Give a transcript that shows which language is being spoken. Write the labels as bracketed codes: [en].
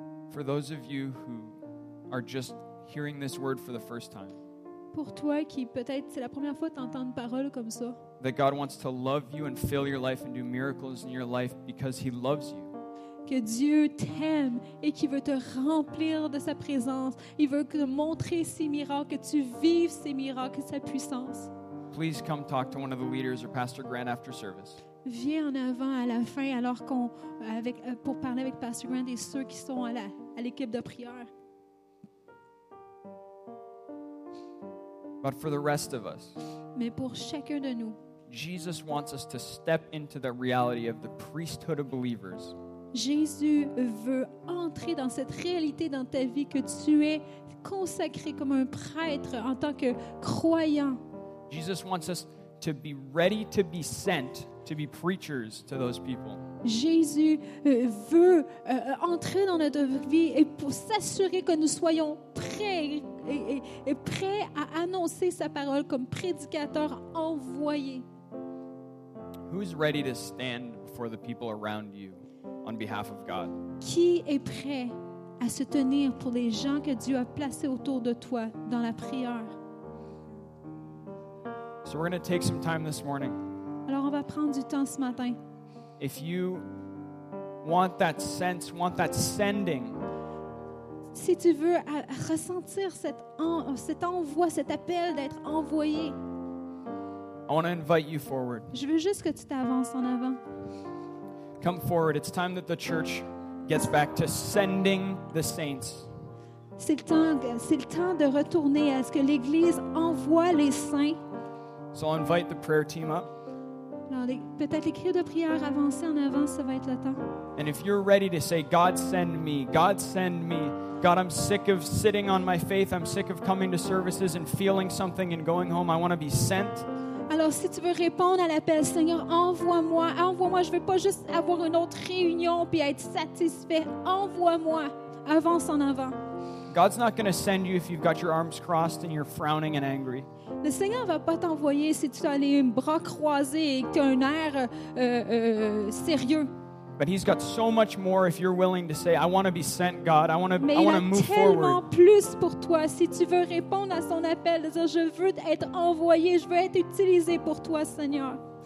[en] For those of you who are just hearing this word for the first time. [fr] Pour toi qui peut-être c'est la première fois que tu entends une parole comme ça. [en] That God wants to love you and fill your life and do miracles in your life because he loves you. [fr] Que Dieu t'aime et qui veut te remplir de sa présence. Il veut te montrer ses miracles, que tu vives ses miracles, sa puissance. [en] Please come talk to one of the leaders or Pastor Grant after service. [fr] Viens en avant à la fin alors qu'on avec pour parler avec Pastor Grant et ceux qui sont à l'équipe de prière. [en] But for the rest of us. [fr] Mais pour chacun de nous. [en] Jesus wants us to step into the reality of the priesthood of believers. [fr] Jésus veut entrer dans cette réalité dans ta vie que tu es consacré comme un prêtre en tant que croyant. [en] Jesus wants us to be ready to be sent to be preachers to those people. [fr] Jésus veut entrer dans notre vie et pour s'assurer que nous soyons prêts et prêts à annoncer sa parole comme prédicateur envoyé. [en] Who's ready to stand before the people around you? On behalf of God. [fr] Qui est prêt à se tenir pour les gens que Dieu a placés autour de toi dans la prière? [en] So we're going to take some time this morning. [fr] Alors on va prendre du temps ce matin. [en] If you want that sense, want that sending. [fr] Si tu veux ressentir cet envoi, cet appel d'être envoyé. [en] I want to invite you forward. [fr] Je veux juste que tu t'avances en avant. [en] Come forward. It's time that the church gets back to sending the saints. [fr] C'est le temps de retourner à ce que l'Église envoie les saints. [en] So I'll invite the prayer team up. [fr] Peut-être les cris de prière avancés en avant, ça va être le temps. [en] And if you're ready to say, God send me, God send me, God, I'm sick of sitting on my faith, I'm sick of coming to services and feeling something and going home, I want to be sent. [fr] Alors, si tu veux répondre à l'appel, Seigneur, envoie-moi. Envoie-moi, je ne veux pas juste avoir une autre réunion puis être satisfait. Envoie-moi. Avance en avant. [en] God's not going to send you if you've got your arms crossed and you're frowning and angry. [fr] Le Seigneur ne va pas t'envoyer si tu as les bras croisés et que tu as un air sérieux. [en] But he's got so much more if you're willing to say, I want to be sent, God. I want to move forward. [fr] Mais il a tellement plus pour toi si tu veux répondre à son appel, de dire, je veux être envoyé, je veux être utilisé pour toi, Seigneur.